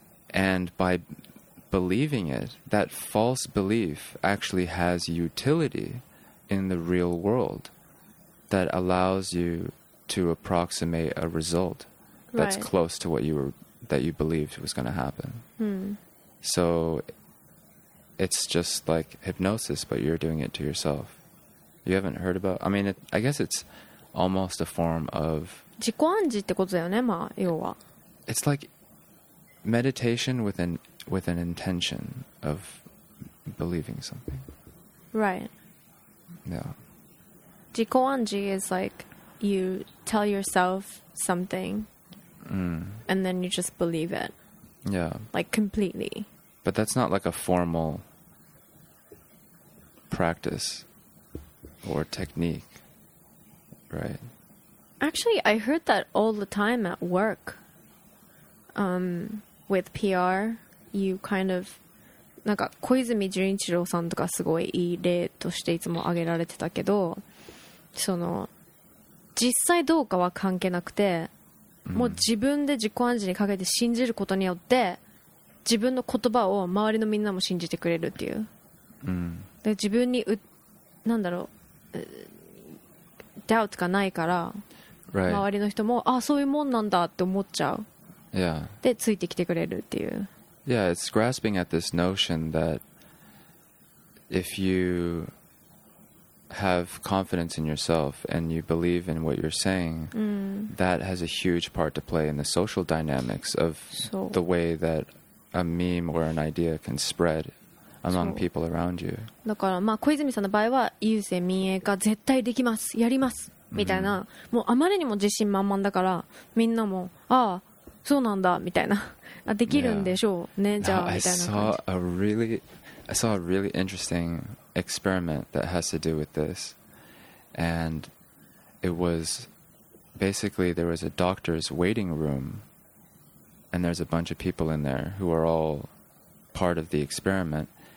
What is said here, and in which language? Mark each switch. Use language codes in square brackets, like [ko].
[en] And by believing it, that false belief actually has utility in the real world that allows you to approximate a result that's right. close to what you were that you believed was going to happen. So it's just like hypnosis, but you're doing it to yourself. You haven't heard about... I mean, I guess it's almost a form of... [ja] 自己暗示ってことだよね、まあ、要は。 [en] It's like meditation with an intention of believing something. Right. Yeah. 自己暗示 is like you tell yourself something, and then you just believe it. Yeah. Like completely. But that's not like a formal practice or technique, right? Actually, I heard that all the time at work. With PR, you kind of... [ja] なんか小泉純一郎さんとかすごいいい例としていつも挙げられてたけど、その実際どうかは関係なくて、もう自分で自己暗示にかけて信じることによって自分の言葉を周りのみんなも信じてくれるっていう、で自分にう、なんだろう、ダウトがないから周りの人も、あ、そういうもんなんだって思っちゃう、でついてきてくれるっていう。 [en] Yeah, it's grasping at this notion that if you have confidence in yourself and you believe in what you're saying, that has a huge part to play in the social dynamics of the way that a meme or an idea can spread among people around you. [ja] だから、まあ、小泉さんの場合は、優勢民営化絶対できます、やりますみたいな、もうあまりにも自信満々だから、みんなも、ああ、そうなんだみたいな。できるんでしょうね、じゃあ、みたいな感じ。 [en] I saw a really interesting experiment that has to do with this. And it was basically there was a doctor's waiting room and there's a bunch of people in there who are all part of the experiment.